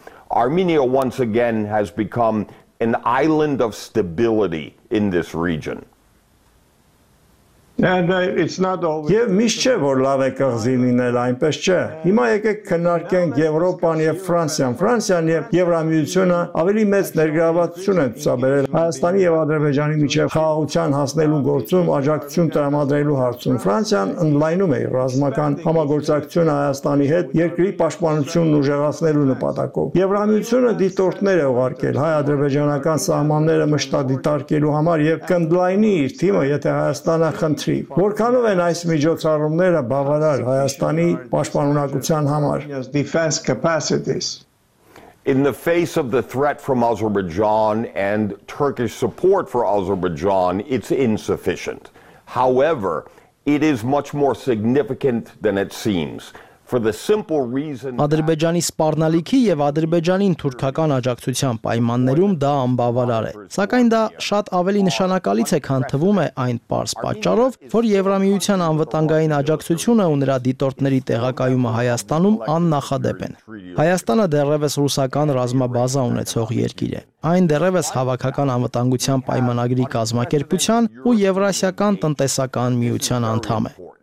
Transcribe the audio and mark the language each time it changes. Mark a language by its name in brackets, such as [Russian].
[English] Armenia once again has become an island of stability in this region. And it's not always. [Armenian] Եվ միշտ չէ, որ լավ է կղզի լինել, այնպես չէ։ Հիմա եկեք քննարկենք Եվրոպան եւ Ֆրանսիան։ Ֆրանսիան եւ Եվրամիությունը ավելի մեծ ներգրավվածություն են ցուցաբերել Հայաստանի եւ Ադրբեջանի միջև խաղաղության հասնելու գործում աջակցություն տրամադրելու հարցում։ Ֆրանսիան ընդլայնում է ռազմական համագործակցությունը Հայաստանի հետ երկրի պաշտպանությունն ուժեղացնելու նպատակով։ Եվրամիությունը դիտորդներ է ուղարկել հայ-ադրբեջանական սահմանները մշտադիտարկելու համար եւ կընդլայնի իր թիմը, եթե Հայաստանը [English] Country. [Armenian] Որքանով են այս միջոցառումները բավարար Հայաստանի պաշտպանունակության համար? [English] Defense capacities. In the face of the threat from Azerbaijan and Turkish support for Azerbaijan, it's insufficient. However, it is much more significant than it seems. For the simple reason [Armenian] Ադրբեջանի սպառնալիքի եւ Ադրբեջանի թուրքական աջակցության պայմաններում դա անբավարար է, սակայն դա շատ ավելի նշանակալից է, քան թվում է, այն պարզ պատճառով, որ Եվրամիության անվտանգային աջակցությունը ու նրա դիտորդների տեղակայումը Հայաստանում աննախադեպ են։ Հայաստանը դեռևս ռուսական ռազմաբազա ունեցող երկիր է, այն դեռևս հավաքական անվտանգության պայմանագրի կազմակերպության ու Եվրասիական տնտեսական միության անդամ է։